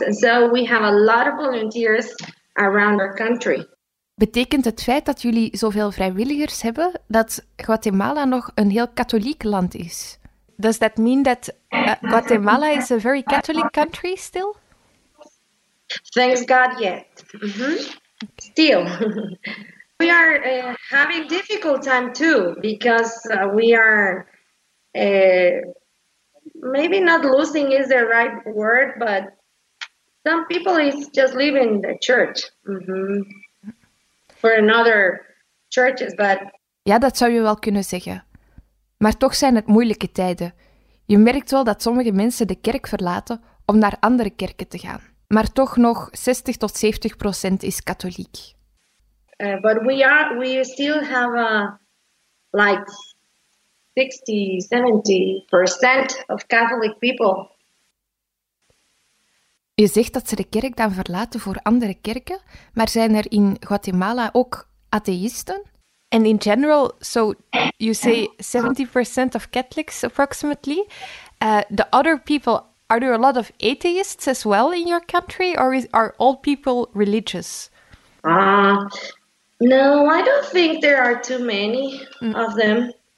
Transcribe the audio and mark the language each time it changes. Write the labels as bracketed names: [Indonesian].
[English] And so we have a lot of volunteers around our country. [Dutch] Betekent het feit dat jullie zoveel vrijwilligers hebben, dat Guatemala nog een heel katholiek land is? [English] Does that mean that Guatemala is a very Catholic country still? Thanks God, yet. Still. We are having difficult time too, because we are maybe not losing is the right word, but some people is just leaving the church for another churches. But [Dutch] ja, dat zou je wel kunnen zeggen. Maar toch zijn het moeilijke tijden. Je merkt wel dat sommige mensen de kerk verlaten om naar andere kerken te gaan. Maar toch nog 60-70% is katholiek. [English] But we still have like 60-70% of Catholic people. [Dutch] Je zegt dat ze de kerk dan verlaten voor andere kerken, maar zijn er in Guatemala ook atheïsten? [English] And in general, so you say 70% of Catholics approximately. The other people, are there a lot of atheists as well in your country, or are all people religious? No, I don't think there are too many of them.